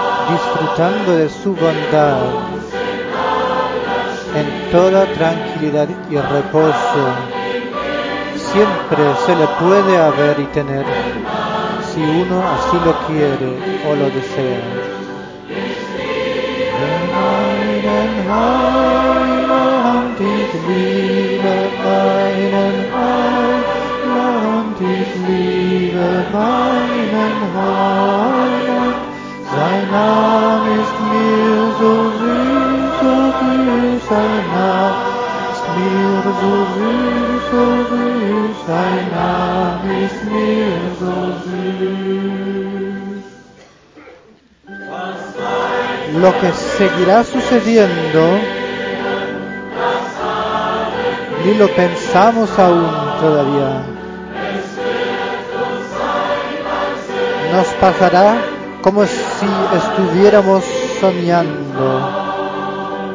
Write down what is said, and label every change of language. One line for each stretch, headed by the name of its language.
Spanish: Disfrutando de su bondad en toda tranquilidad y reposo, siempre se le puede haber y tener si uno así lo quiere o lo desea.
German: Sein Name ist mir so süß, so süß, sein Name ist mir so süß, so süß, sein Name ist mir so süß.
Spanish: Lo que seguirá sucediendo, ni lo pensamos aún todavía. Nos pasará como si estuviéramos soñando.